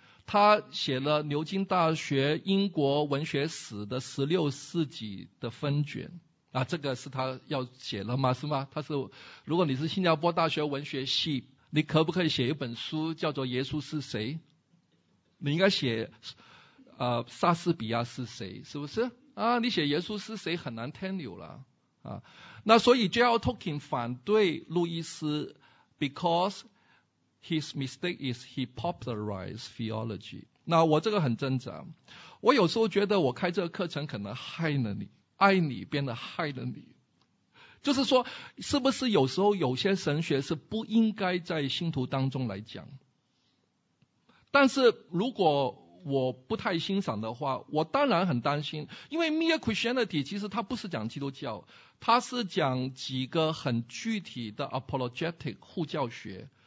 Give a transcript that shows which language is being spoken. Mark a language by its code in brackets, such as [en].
[zh] 他写了牛津大学英国文学史的16世纪的分卷啊，这个是他要写了吗？是吗？他是，如果你是新加坡大学文学系，你可不可以写一本书叫做《耶稣是谁》？你应该写，莎士比亚是谁？是不是？啊，你写耶稣是谁很难 tenure 了啊。那所以 J.R. Tolkien 反对路易斯 ， [en] because his mistake is he popularized theology。 [zh] 那我这个很挣扎，我有时候觉得我开这个课程可能害了你。爱你变得害了你，就是说是不是有时候有些神学是不应该在信徒当中来讲，但是如果我不太欣赏的话，我当然很担心，因为 Mere Christianity 其实它不是讲基督教，它是讲几个很具体的 apologetic 护教学。